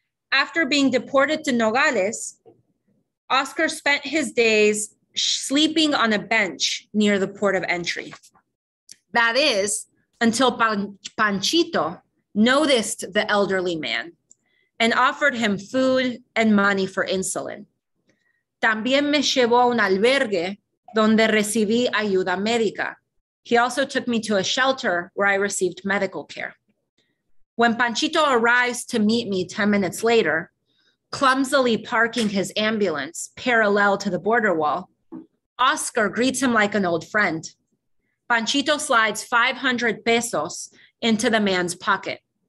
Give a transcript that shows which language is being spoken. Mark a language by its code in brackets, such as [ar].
[en] After being deported to Nogales, Oscar spent his days sleeping on a bench near the port of entry. That is, until Panchito noticed the elderly man and offered him food and money for insulin. [es] También me llevó a un albergue donde recibí ayuda médica. [en] He also took me to a shelter where I received medical care. When Panchito arrives to meet me 10 minutes later, clumsily parking his ambulance parallel to the border wall, Oscar greets him like an old friend. Panchito slides 500 pesos into the man's pocket.